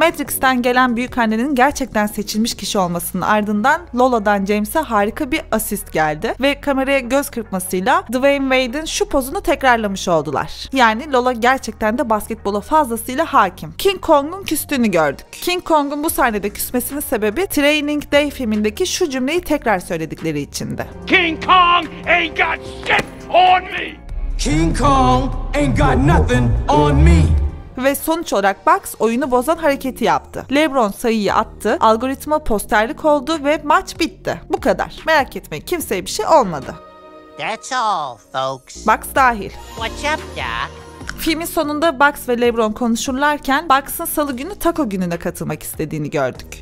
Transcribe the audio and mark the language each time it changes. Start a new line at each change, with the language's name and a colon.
Turkish: Matrix'ten gelen büyükannenin gerçekten seçilmiş kişi olmasının ardından Lola'dan James'e harika bir asist geldi ve kameraya göz kırpmasıyla Dwayne Wade'in şu pozunu tekrarlamış oldular. Yani Lola gerçekten de basketbola fazlasıyla hakim. King Kong'un küstüğünü gördük. King Kong'un bu sahnede küsmesinin sebebi Training Day filmindeki şu cümleyi tekrar söyledikleri içindi.
English: King Kong ain't got shit on me! King Kong ain't got nothing on me.
Turkish: Ve sonuç olarak Bucks oyunu bozan hareketi yaptı. LeBron sayıyı attı, algoritma posterlik oldu ve maç bitti. Bu kadar. Merak etmeyin, kimseye bir şey olmadı.
English: That's all, folks.
Turkish: Bugs dahil.
English: What's up, Doc?
Turkish: Filmin sonunda Bugs ve LeBron konuşurlarken Bugs'ın salı günü taco gününe katılmak istediğini gördük.